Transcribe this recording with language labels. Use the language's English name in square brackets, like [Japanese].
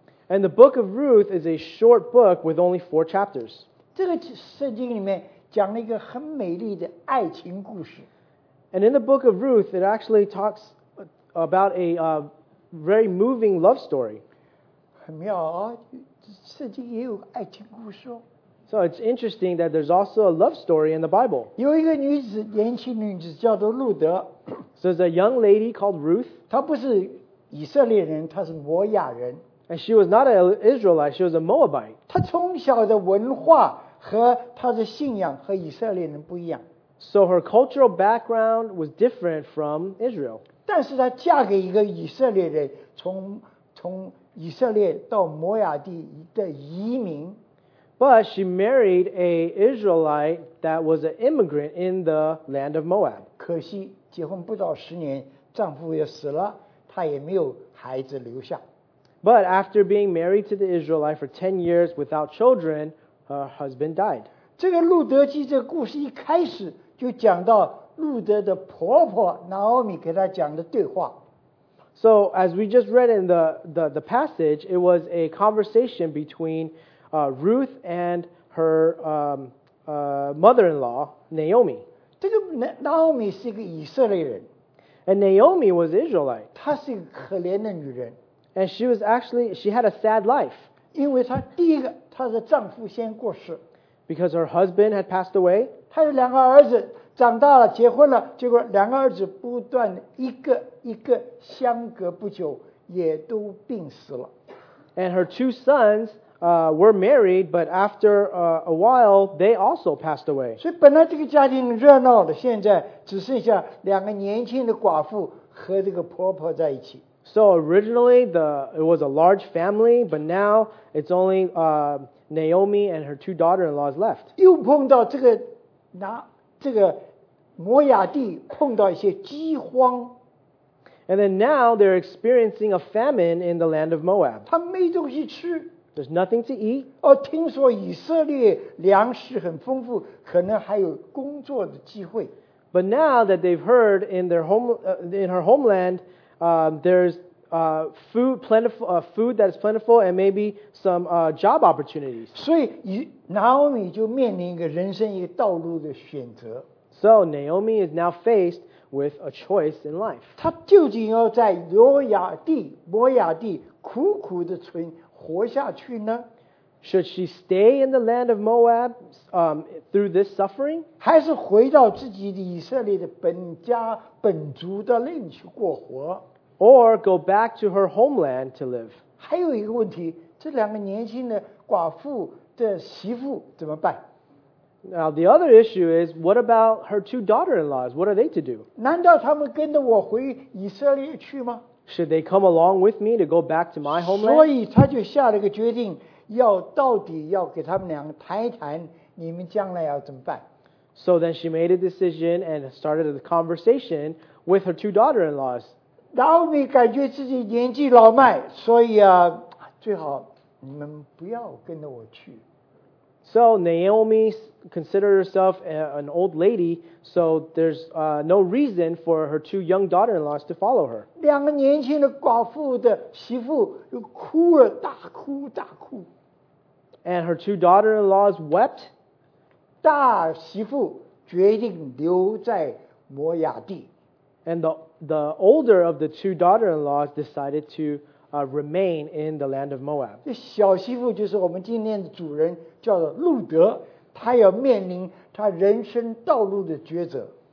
[English] And the book of Ruth is a short book with only four chapters. [Chinese] 这个圣经里面讲了一个很美丽的爱情故事。 [English] And in the book of Ruth, it actually talks about a very moving love story. [Chinese] 很妙啊，圣经也有爱情故事哦。 [English] So it's interesting that there's also a love story in the Bible. [Chinese] 有一个女子，年轻女子叫做路德。 [English] So there's a young lady called Ruth. [Chinese] 她不是以色列人，她是摩亚人。 [English] And she was not an Israelite, she was a Moabite. [Chinese] 她从小的文化和她的信仰和以色列人不一样。 [English] So her cultural background was different from Israel. [Chinese] 但是她嫁给一个以色列人，从以色列到摩亚地的移民。 [English] But she married an Israelite that was an immigrant in the land of Moab. [Chinese] 可惜结婚不到十年，丈夫也死了。她也没有孩子留下。 [English] But after being married to the Israelite for 10 years without children, her husband died. [Chinese] 这个路德记这个故事一开始就讲到路德的婆婆 Naomi 给她讲的对话。 [English] So as we just read in the passage, it was a conversation between Ruth and her mother-in-law, Naomi. [Chinese] 这个 Naomi 是一个以色列人。 [English] And Naomi was Israelite. [Chinese] 她是一个可怜的女人。 [English] And she was actually, she had a sad life. [Chinese] 因为她第一个，她的丈夫先过世。 [English] Because her husband had passed away. [Chinese] 她有两个儿子，长大了，结婚了，结果两个儿子不断一个一个相隔不久，也都病死了。 [English] And her two sons were married, but after a while, they also passed away. [Chinese] 所以本来这个家庭热闹的，现在只剩下两个年轻的寡妇和这个婆婆在一起。 [English] So originally, it was a large family, but now it's only Naomi and her two daughter-in-laws left. [Chinese] 又碰到这个摩亚地碰到一些饥荒。 [English] And then now they're experiencing a famine in the land of Moab. [Chinese] 他们没东西吃。 [English] There's nothing to eat. [Chinese] 哦，听说以色列粮食很丰富，可能还有工作的机会。 [English] But now that they've heard in her homeland, there's food that is plentiful, and maybe some job opportunities. [Chinese] 所以, Naomi 就面临一个人生一个道路的选择。 [English] So Naomi is now faced with a choice in life. [Chinese] 她究竟要在罗亚地、摩亚地苦苦的存活下去呢？ [English] Should she stay in the land of Moab through this suffering? [Chinese] 还是回到自己的以色列的本家本族的那里去过活？ [English] Or go back to her homeland to live? [Chinese] 还有一个问题，这两个年轻的寡妇的媳妇怎么办？ [English] Now the other issue is, what about her two daughter-in-laws? What are they to do? [Chinese] 难道他们跟着我回以色列去吗？ [English] Should they come along with me to go back to my homeland? [Chinese] 所以他就下了个决定，要到底要给他们两个谈一谈，你们将来要怎么办？ [English] So then she made a decision and started a conversation with her two daughter-in-laws. [Chinese] Naomi 感觉自己年纪老迈，所以啊，最好你们不要跟着我去。 [English] So Naomi considered herself an old lady, so there's no reason for her two young daughter-in-laws to follow her. [Chinese] 两个年轻的寡妇的媳妇又哭了，大哭大哭。 [English] And her two daughter-in-laws wept. [Chinese] 大媳妇决定留在摩亚地。 [English] And the older of the two daughter-in-laws decided to remain in the land of Moab. [Chinese] 这小媳妇就是我们今天的主人，叫做路德，她要面临她人生道路的抉择。